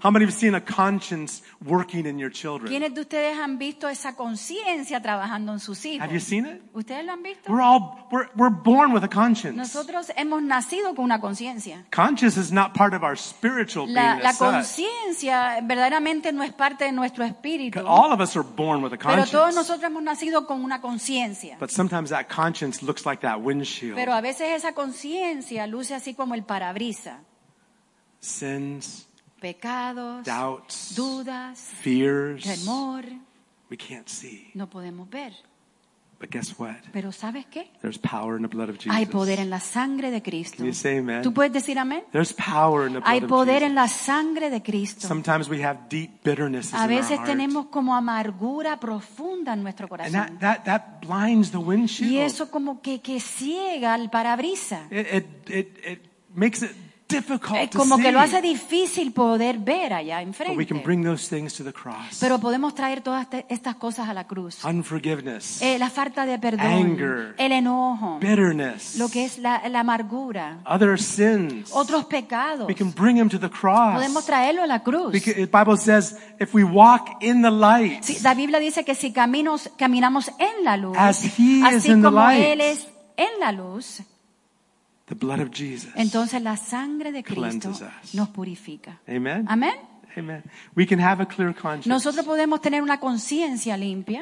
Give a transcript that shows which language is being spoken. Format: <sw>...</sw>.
<en>How many have seen a conscience working in your children?</en> <es>¿Quiénes de ustedes han visto esa conciencia trabajando en sus hijos?</es> <en>Have you seen it?</en> <es>¿Ustedes lo han visto?</es> <en>We're born with a conscience.</en> <es>Nosotros hemos nacido con una conciencia.</es> <en>Conscience is not part of our spiritual being.</en> <es>La conciencia verdaderamente no es parte de nuestro espíritu.</es> <en>All of us are born with a conscience.</en> <es>Pero todos nosotros hemos nacido con una conciencia.</es> <en>But sometimes that conscience looks like that windshield.</en> <es>Pero a veces esa conciencia luce así como el parabrisa.</es> <en>Sins,</en> <es>pecados,</es> <en>doubts,</en> <es>dudas,</es> <en>fears,</en> <es>temor.</es> <en>We can't see.</en> <es>No podemos ver.</es> <en>But guess what?</en> <es>Pero ¿sabes qué?</es> <en>There's power in the blood of Jesus.</en> <es>Hay poder en la sangre de Cristo.</es> <en>Can you say amen?</en> <es>¿Tú puedes decir amén?</es> <en>There's power in the blood</en> <es>hay poder</es> <en>of Jesus.</en> <es>En la sangre de Cristo.</es> <en>Sometimes we have deep bitterness in our heart.</en> <es>A veces tenemos</es> <en>heart.</en> <es>Como amargura profunda en nuestro corazón.</es> <en>And that blinds the windshield.</en> <es>Y eso como que ciega el parabrisas.</es> <en>It makes it difficult</en> <es>es como</es> <en>to</en> <es>que Lo hace difícil poder ver allá enfrente.</es> <en>But we can bring those things to the cross.</en> <es>Pero podemos traer todas estas cosas a la cruz.</es> <en>Unforgiveness.</en> <es>La falta de perdón.</es> <en>Anger.</en> <es>El enojo.</es> <en>Bitterness.</en> <es>Lo que es la amargura.</es> <en>Other sins.</en> <es>Otros pecados.</es> <en>We can bring them to the cross.</en> <es>Podemos traerlo a la cruz.</es> <en>Because the Bible says if we walk in the light.</en> <es>Sí, la Biblia dice que si caminamos en la luz.</es> <en>As he</en> <es>así</es> <en>is in</en> <es>como</es> <en>the light,</en> <es>él es en la luz.</es> <en>The blood of Jesus.</en> <es>Entonces la sangre de Cristo nos purifica.</es> <en>Amen.</en> <es>Amen.</es> <en>Amen. We can have a clear conscience.</en> <es>Nosotros podemos tener una conciencia limpia.</es>